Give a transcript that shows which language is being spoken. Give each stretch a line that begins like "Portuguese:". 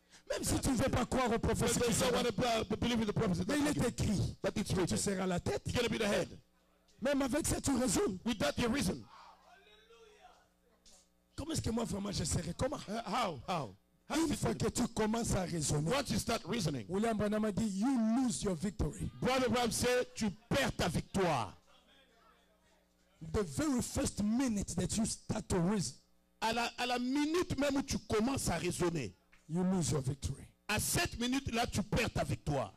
French: Même si tu ne veux pas croire aux prophéties, mais il est écrit
English: that it's written.
French: Tu seras la tête.
English: You're gonna be the head.
French: Même avec ça, tu raisonnes.
English: Without your reason.
French: Comment est-ce que moi vraiment je serai? Comment?
English: How?
French: Une fois que tu commences à raisonner.
English: Once you start reasoning. William Branham
French: a dit,
English: you lose your victory. Brother Branham said,
French: tu perds ta victoire.
English: The very first minute that you start to reason.
French: À la minute même où tu commences à raisonner.
English: You lose your victory.
French: À cette minute là, tu perds ta victoire.